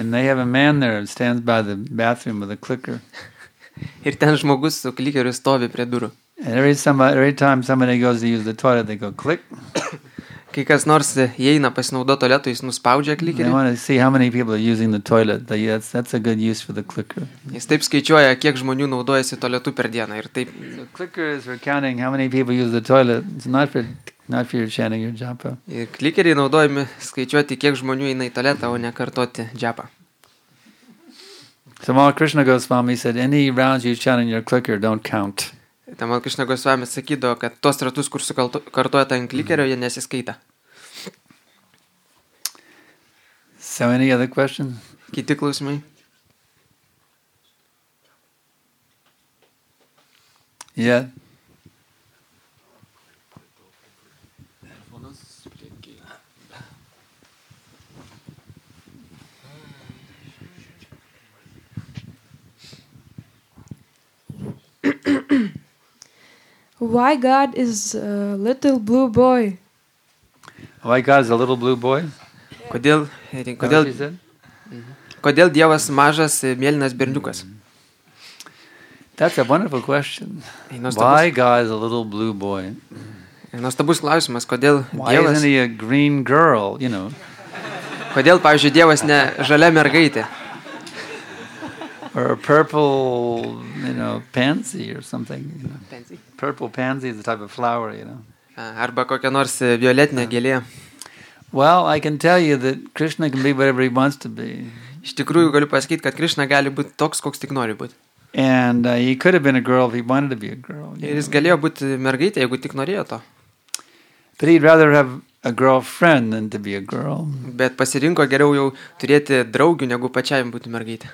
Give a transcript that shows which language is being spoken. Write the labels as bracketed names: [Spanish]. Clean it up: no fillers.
[English] And they have a man there who stands by the bathroom with a clicker. [Lithuanian] Ir ten žmogus su klikeriu stovi prie durų. [English] And every time somebody goes to use the toilet, they go click. [Lithuanian] Kai kas nors įeina pasinaudo tualetu, jis nuspaudžia klikerį. [English] They want to see how many people are using the toilet. That's a good use for the clicker. [Lithuanian] Jis taip skaičiuoja, kiek žmonių naudojasi tualetu per dieną. Ir taip. [English] The clicker is for counting how many people use the toilet. It's not for your chanting your japa. [Lithuanian] Ir klikeriai naudojami skaičiuoti, kiek žmonių eina į tualetą, o ne kartoti japa. [English] Tamal Krishna Goswami said, any rounds you chant in your clicker, don't count. [Lithuanian] Tamal Krishna Goswami sakydavo, kad tos ratus, kur sukartuojate ant klikerio, jie nesiskaita. [English] So any other question? [Lithuanian] Kiti klausimai? [English] Yeah. Why God is a little blue boy? Why God is a little blue boy? [Lithuanian] Kodėl Dievas mažas mėlynas berniukas? [English] That's a wonderful question. Why God is a little blue boy? [Lithuanian] Nuostabus klausimas, kodėl Dievas... [English] Why isn't he a green girl, you know? [Lithuanian] Kodėl, pavyzdžiui, Dievas ne žalia mergaitė? [English] Or a purple, you know, pansy or something. You know. Pansy. Purple pansy is a type of flower, you know. [Lithuanian] Arba kokia nors violetinė gėlė. [English] Well, I can tell you that Krishna can be whatever he wants to be. [Lithuanian] Iš tikrųjų galiu pasakyti, kad Krishna gali būti toks, koks tik nori būti. [English] And he could have been a girl if he wanted to be a girl. [Lithuanian] Ir jis galėjo būti mergaitė, jeigu tik norėjo to. [English] But he'd rather have a girlfriend than to be a girl. [Lithuanian] Bet pasirinko geriau jau turėti draugių, negu pačiam būti mergaitė.